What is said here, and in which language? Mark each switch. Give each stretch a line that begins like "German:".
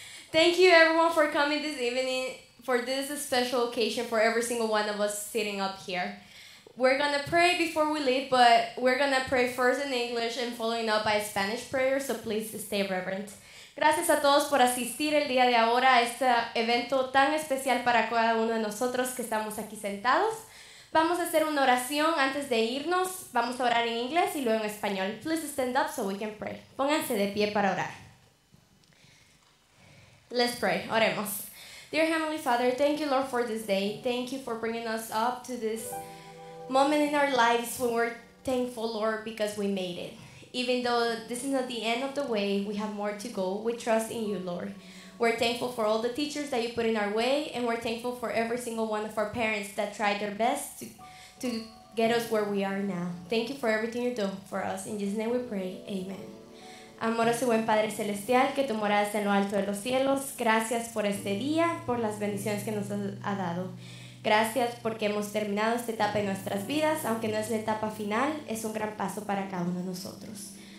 English: Thank you, everyone, for coming this evening for this special occasion for every single one of us sitting up here. We're going to pray before we leave, but we're going to pray first in English and following up by Spanish prayer, so please stay reverent.
Spanish: Gracias a todos por asistir el día de ahora a este evento tan especial para cada uno de nosotros que estamos aquí sentados. Vamos a hacer una oración antes de irnos. Vamos a orar en inglés y luego en español.
English: Please stand up so we can pray.
Spanish: Pónganse de pie para orar.
English: Let's pray.
Spanish: Oremos.
English: Dear Heavenly Father, thank you, Lord, for this day. Thank you for bringing us up to this moment in our lives when we're thankful, Lord, because we made it. Even though this is not the end of the way, we have more to go. We trust in you, Lord. We're thankful for all the teachers that you put in our way, and we're thankful for every single one of our parents that tried their best to get us where we are now. Thank you for everything you're doing for us. In Jesus' name we pray. Amen.
Spanish: Amoroso y buen Padre Celestial, que tu morada está en lo alto de los cielos, gracias por este día, por las bendiciones que nos ha dado. Gracias porque hemos terminado esta etapa en nuestras vidas, aunque no es la etapa final, es un gran paso para cada uno de nosotros.